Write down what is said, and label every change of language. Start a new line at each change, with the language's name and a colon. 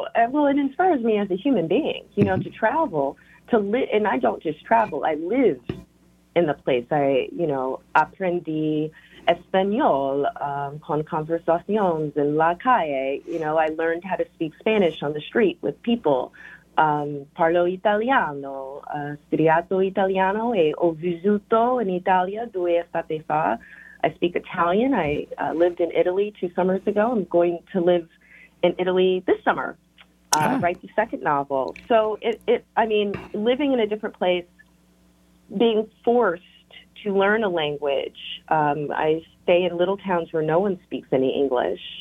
English: Well, it inspires me as a human being, you know, to travel, to live, and I don't just travel, I live in the place. I, you know,
Spanish: aprendí Español con conversaciones en la calle.
English: You know, I learned how to speak Spanish on the street with people.
Italian: Parlo italiano, studiato italiano e ho vissuto in Italia due estate fa.
English: I speak Italian. I lived in Italy 2 summers ago. I'm going to live in Italy this summer, write the second novel. So, I mean, living in a different place, being forced to learn a language, I stay in little towns where no one speaks any English.